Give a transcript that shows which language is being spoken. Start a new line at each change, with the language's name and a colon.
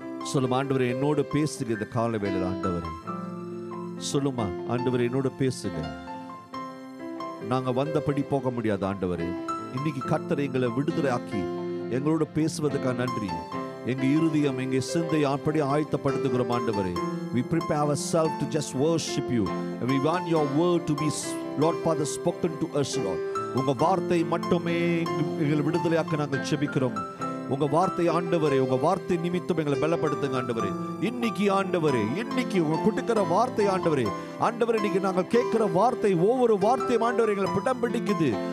Tamil: சொல்லுமா ஆண்டவரே என்னோட பேசுங்க இந்த கால வேளையில் ஆண்டவரே, சொல்லுமா ஆண்டவரே என்னோட பேசுங்க. நாங்கள் வந்தபடி போக முடியாது ஆண்டவரே, இன்னைக்கு கர்த்தரை எங்களை விடுதலை ஆக்கி எங்களோட பேசுவதற்காக நன்றி. எங்கள் இருதயம் எங்கள் சிந்தை அப்படி ஆயத்தப்படுத்துகிறோம் ஆண்டவரே.
English: We prepare ourselves to just worship you. We want your word to be, Lord Father, spoken to us, Lord.
Tamil: உங்கள் வார்த்தை மட்டுமே எங்களை விடுதலையாக்க நாங்கள் செபிக்கிறோம். உங்கள் வார்த்தை ஆண்டவரே, உங்கள் வார்த்தை நிமித்தம் எங்களை பலப்படுத்துங்க ஆண்டவரே. இன்னைக்கு ஆண்டவரே, இன்னைக்கு உங்கள் கொடுக்கிற வார்த்தை ஆண்டவரே, ஆண்டவரே இன்னைக்கு நாங்கள் கேட்குற வார்த்தை, ஒவ்வொரு வார்த்தையும் ஆண்டவரே எங்களை பிடம் பிடிக்குது.